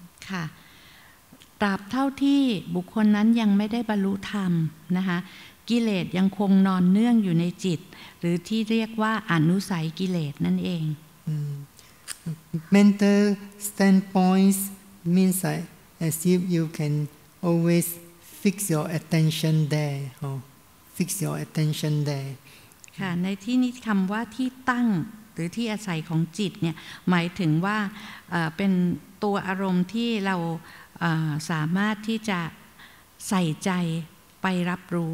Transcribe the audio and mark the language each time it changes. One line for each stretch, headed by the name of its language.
Thai: ค่ะตราบเท่าที่บุคคลนั้นยังไม่ได้บรรลุธรรมนะคะกิเลสยังคงนอนเนื่องอยู่ในจิตหรือที่เรียกว่าอนุสัยกิเลสนั่นเอง
English: Mental standpoints means that as if you can always fix your attention there. Oh, fix your attention there.
Thai: ค่ะในที่นี้คำว่าที่ตั้งหรือที่อาศัยของจิตเนี่ยหมายถึงว่าเป็นตัวอารมณ์ที่เราสามารถที่จะใส่ใจไปรับรู